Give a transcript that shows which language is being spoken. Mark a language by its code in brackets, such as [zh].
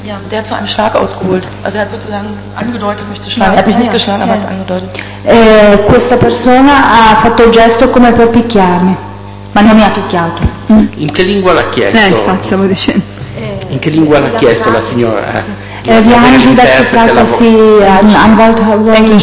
[de] Der hat zu einem Schlag ausgeholt. Also er hat sozusagen angedeutet, mich zu schlagen. Er hat mich nicht geschlagen, aber hat angedeutet. [it] Questa persona ha fatto il gesto come per picchiarmi, ma non mi ha picchiato. In che lingua l'ha chiesto? Stiamo dicendo. In che lingua l'ha chiesto la signora? [de] Wir haben sie das gefragt, dass sie einen Anwalt haben.